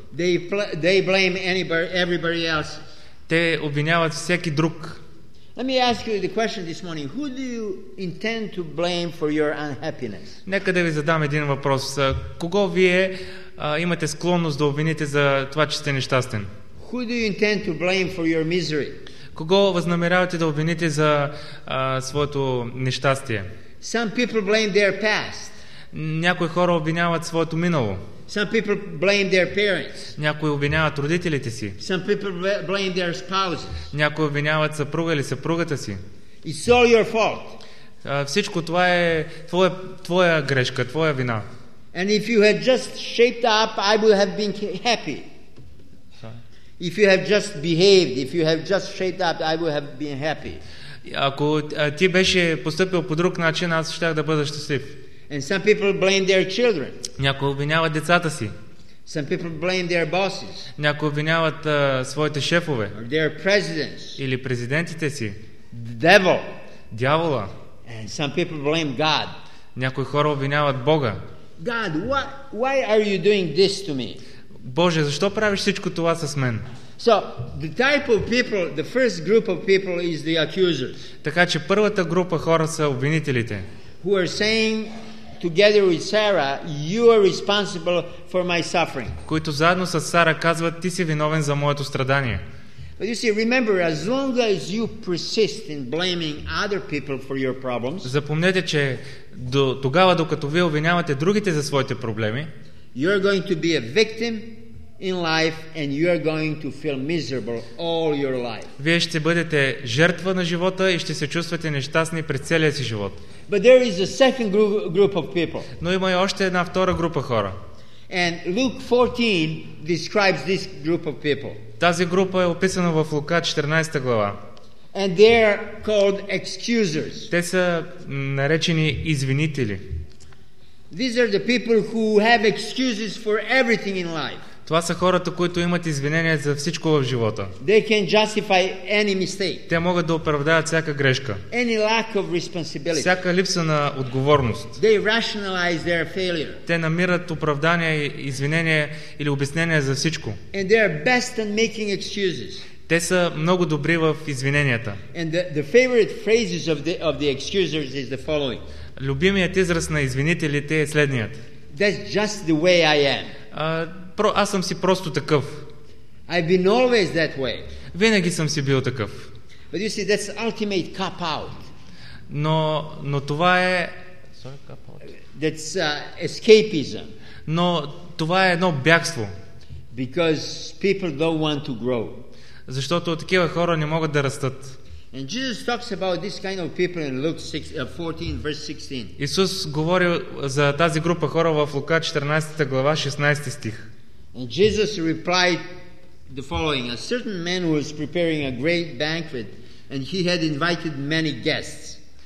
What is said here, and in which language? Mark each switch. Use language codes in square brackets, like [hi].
[en] They blame everybody else. [bg] Те обвиняват всеки друг. [en] Let me ask you the question this morning. Who do you intend to blame for your unhappiness? [bg] Нека да ви задам един въпрос. Кого вие имате склонност да обвините за това, че сте нещастен? [en] Who do you intend to blame for your misery? [bg] Кого възнамерявате да обвините за своето нещастие? [en] Some people blame their past. [bg] Някои хора обвиняват своето минало. [en] Some people blame their parents. [bg] Някои обвиняват родителите си. [en] Some people blame their spouses. [bg] Някои обвиняват съпруга или съпругата си. [en] It's all your fault. [bg] Всичко това е твоя грешка, твоя вина. [en] And if you had just shaped up, I would have been happy. If you have just behaved, if you have just shaped up, I would have been happy. [bg] Ако ти беше постъпил по друг начин, аз щях да бъда щастлив. [en] And some people blame their children. [bg] Някои обвиняват децата си. [en] Some people blame their bosses. [bg] Някои обвиняват своите шефове. [en] Or their presidents. [bg] Или президентите си. [en] The devil. [bg] Дявола. [en] And some people blame God. [bg] Някои хора обвиняват Бога. [en] God, why are you doing this to me? [bg] Боже, защо правиш всичко това с мен? [en] So, the type of people, the first group of people is the accusers. [bg] Така че първата група хора са обвинителите. [en] Who are saying together with Sarah, you are responsible for my suffering. [bg] Които заедно с Сара казват, ти си виновен за моето страдание. [en] But you see, remember, as long as you persist in blaming other people for your problems, [bg] запомнете, че до тогава, докато вие обвинявате другите за своите проблеми, [en] you're going to be a victim in life and you are going to feel miserable all your life. [bg] Вие ще бъдете жертва на живота и ще се чувствате нещастни през целия си живот. [en] But there is a second group of people. [bg] Но има и още една втора група хора. [en] And Luke 14 describes this group of people. [bg] Тази група е описана в Лука 14 глава. [en] And they are called excusers. [bg] Те са наречени извинители. [en] These are the people who have excuses for everything in life. [bg] Това са хората, които имат извинения за всичко в живота. [en] They can justify any mistake. [bg] Те могат да оправдаят всяка грешка. [en] Any lack of responsibility. [bg] Всяка липса на отговорност. [en] They rationalize their failure. [bg] Те намират оправдания, извинения или обяснения за всичко. [en] And they are best at making excuses. [bg] Те са много добри в извиненията. [en] And the favorite phrases of the excusers is the following. [bg] Любимият израз на извинителите е следният. [en] That's just the way I am. [bg] Аз съм си просто такъв. [en] I've been always that way. [bg] Винаги съм си бил такъв. [en] But you see, that's ultimate cop out. [bg] Но това е... [en] Sorry, cop out. That's escapism. [bg] Но това е едно бягство. [en] Because people don't want to grow. [bg] Защото такива хора не могат да растат. [en] And Jesus talks about this kind of people in Luke 14 verse 16. [bg] Исус говори за тази група хора в Лука 14 глава 16 стих. [en] And Jesus replied the following: A certain man was preparing a great banquet and he had invited many guests.